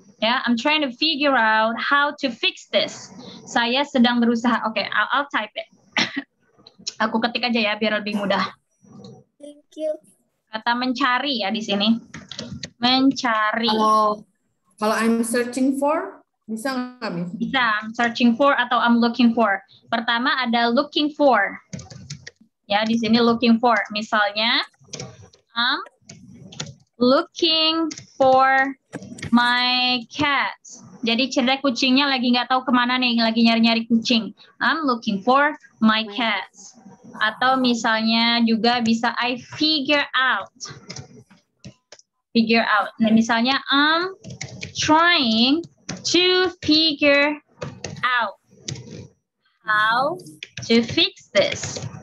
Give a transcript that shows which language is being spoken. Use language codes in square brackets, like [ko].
[en] Yeah, I'm trying to figure out how to fix this. [id] Saya sedang berusaha. [en] Okay, I'll type it. [id] Aku ketik aja ya biar lebih mudah. [en] Thank you. [id] Kata mencari ya di sini. Mencari. Kalau [en] I'm searching for, [id] bisa nggak, Miss? Bisa. [en] I'm searching for [id] atau [en] I'm looking for. [id] Pertama ada [en] looking for. [id] Ya, di sini [en] looking for. [id] Misalnya, [en] I'm looking for my cat. [id] Jadi cerita kucingnya lagi nggak tahu kemana nih, lagi nyari-nyari kucing. [en] I'm looking for my cat. [id] Atau misalnya juga bisa [en] I figure out. Figure out. [id] Nah, misalnya [en] I'm trying to figure out how to fix this.